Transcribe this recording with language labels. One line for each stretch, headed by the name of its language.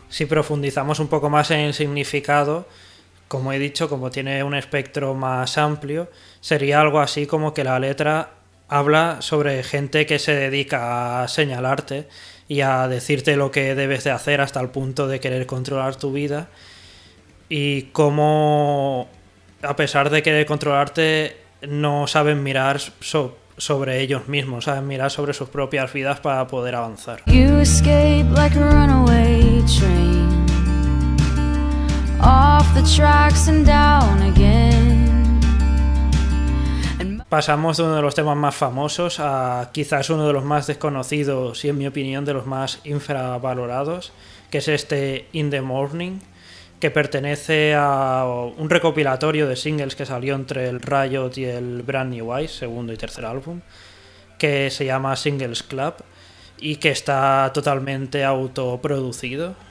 Spanish: Si profundizamos un poco más en el significado, como he dicho, como tiene un espectro más amplio, sería algo así como que la letra habla sobre gente que se dedica a señalarte y a decirte lo que debes de hacer hasta el punto de querer controlar tu vida, y cómo, a pesar de querer controlarte, no saben mirar sobre ellos mismos, ¿sabes? Mirar sobre sus propias vidas para poder avanzar.
English: You escape like a runaway train, off the tracks and down again.
Spanish: Pasamos de uno de los temas más famosos a quizás uno de los más desconocidos y, en mi opinión, de los más infravalorados, que es este In the Morning, que pertenece a un recopilatorio de singles que salió entre el Riot y el Brand New Eyes, segundo y tercer álbum, que se llama Singles Club y que está totalmente autoproducido.